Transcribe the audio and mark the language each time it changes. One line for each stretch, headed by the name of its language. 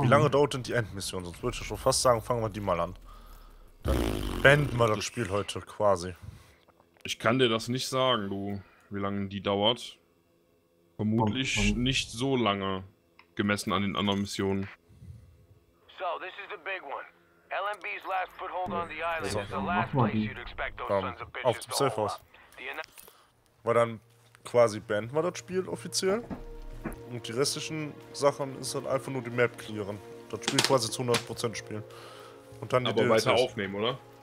German: Wie lange dauert denn die Endmission? Sonst würde ich schon fast sagen, fangen wir die mal an. Dann beenden wir das Spiel heute quasi. Ich kann dir das nicht sagen, du, wie lange die dauert. Vermutlich nicht so lange, gemessen an den anderen Missionen.
English: So, this is the big one. LMB's last foothold on the island is the last place you'd expect those sons of bitches to hold up.
German: Weil dann quasi beenden wir das Spiel offiziell. Und die restlichen Sachen ist halt einfach nur die Map clearen. Das Spiel quasi zu 100% spielen. Und dann aber weiter aufnehmen, oder?